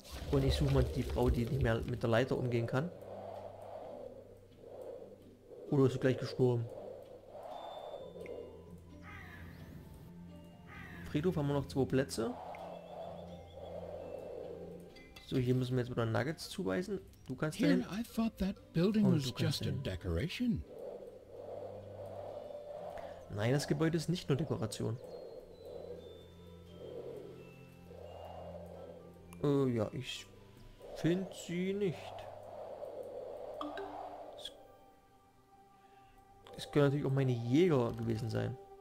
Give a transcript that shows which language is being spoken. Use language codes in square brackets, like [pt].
[de] Und ich suche mal die Frau, die nicht mehr mit der Leiter umgehen kann. Oder ist sie gleich gestorben? Friedhof haben wir noch zwei Plätze. So, hier müssen wir jetzt wieder Nuggets zuweisen. Du kannst hier. [en] I thought that building was just a decoration. [de] Nein, das Gebäude ist nicht nur Dekoration. Ja, ich finde sie nicht. Es können natürlich auch meine Jäger gewesen sein.